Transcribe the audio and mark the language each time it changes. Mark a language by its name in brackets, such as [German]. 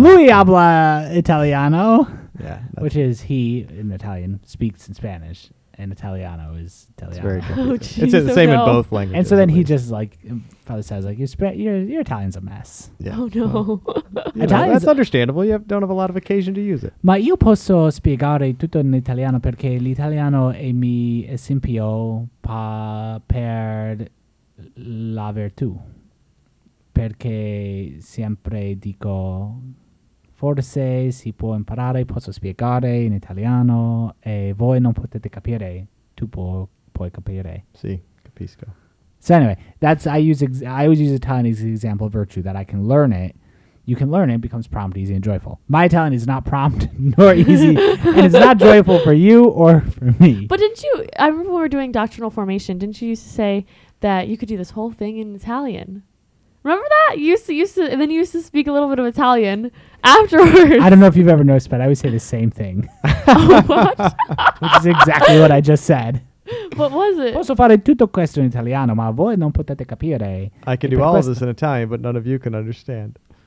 [Italian] Lui habla italiano. [English] Yeah, which is he in Italian speaks in Spanish, and Italiano is Italiano. It's very different. Oh, geez, it's the oh same no. in both languages. And so then he just like probably says like your Italian's a mess. Yeah. Oh no, well, know, that's understandable. You don't have a lot of occasion to use it. [Italian] Ma io posso spiegare tutto in italiano perché l'italiano è mi esempio per la virtù perché sempre dico. Forse si può imparare, posso spiegare in italiano e voi non potete capire, tu puoi capire. Sì, capisco. [English] So anyway, that's I always use Italian as an example of virtue, that I can learn it. You can learn it, it becomes prompt, easy, and joyful. My Italian is not prompt nor easy, and it's not joyful for you or for me. But didn't you, I remember when we were doing doctrinal formation, didn't you used to say that you could do this whole thing in Italian? Remember that? You used to, and then you used to speak a little bit of Italian afterwards. I don't know if you've ever noticed, but I would say the same thing. Oh, what? Which is exactly what I just said. What was it? [Italian] Posso fare tutto questo in italiano, ma voi non potete capire. [English] I can do all [Italian] questo. [English] Of this in Italian, but none of you can understand.